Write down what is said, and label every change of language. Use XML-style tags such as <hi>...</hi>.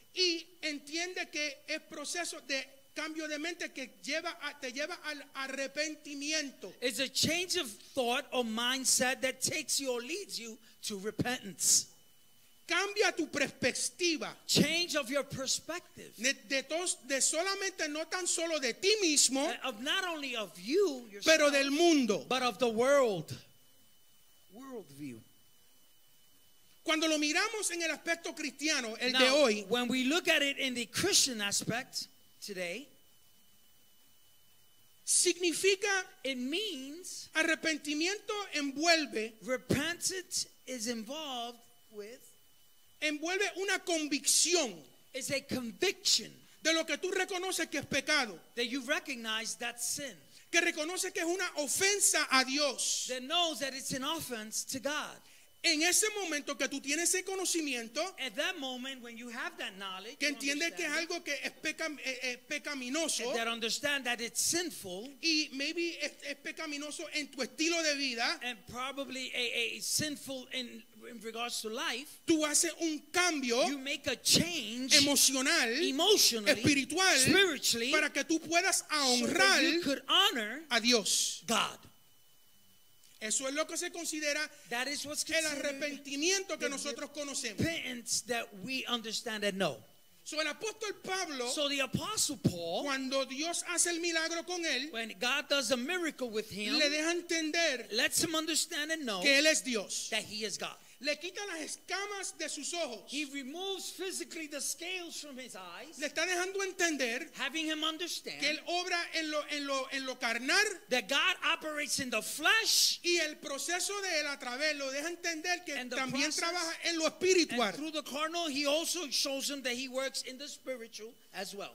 <es>y entiende que es proceso de cambio de mente que lleva a, te lleva al arrepentimiento.</es> <en>It's a change of thought or mindset that takes you or leads you to repentance.</en> <es>Cambia tu perspectiva.</es> <en>Change of your perspective.</en> <es>De solamente no tan solo de ti mismo,</es> <en>of not only of you, yourself,</en> <es>pero del mundo,</es> <en>but of the world. World view.</en> <es>Cuando lo miramos en el aspecto cristiano, el</es> <en>now,</en> <es>de hoy,</es> <en>when we look at it in the Christian aspect, today</en> <es>significa</es> <en>it means</en> <es>arrepentimiento envuelve</es> <en>repentance is involved with</en> <es>envuelve una convicción</es> <en>is a conviction</en> <es>de lo que tú reconoces que es pecado</es> <en>that you recognize that sin</en> <es>que reconoce que es una ofensa a Dios</es> <en>that knows that it's an offense to God.</en> <es>En ese momento que tú tienes ese conocimiento,</es> <en>at that moment when you have that knowledge,</en> <es>que entiendes que es algo que es pecaminoso,</es> <en>that understand that it's sinful,</en> <es>y maybe es pecaminoso en tu estilo de vida,</es> <en>and probably a sinful in regards to life,</en> <es>tú haces un cambio,</es> <en>you make a change,</en> <es>emocional,</es> <en>emotionally,</en> <es>espiritual,</es> <en>spiritually,</en> <es>para que tú puedas honrar,</es> <en>so that you could honor</en> <es>a Dios,</es> <en>God.</en> <es>Eso es lo que se considera el arrepentimiento que nosotros conocemos.</es> <en>Repentance that we understand and know.</en> <es>So el apóstol Pablo,</es> <en>so the apostle Paul,</en> <es>cuando Dios hace el milagro con él,</es> <en>when God does a miracle with him,</en> <es>le deja entender,</es> <en>lets him understand and know,</en> <es>que él es Dios,</es> <en>that he is God.</en> <es>Le quita las escamas de sus ojos.</es> <en>He removes physically the scales from his eyes.</en> <es>Le está dejando entender,</es> <en>having him understand,</en> <es>que él obra en lo carnal,</es> <en>that God operates in the flesh,</en> <es>y el proceso de él a través lo deja entender que también process, trabaja en lo espiritual.</es> <en>And through the carnal, he also shows him that he works in the spiritual as well.</en>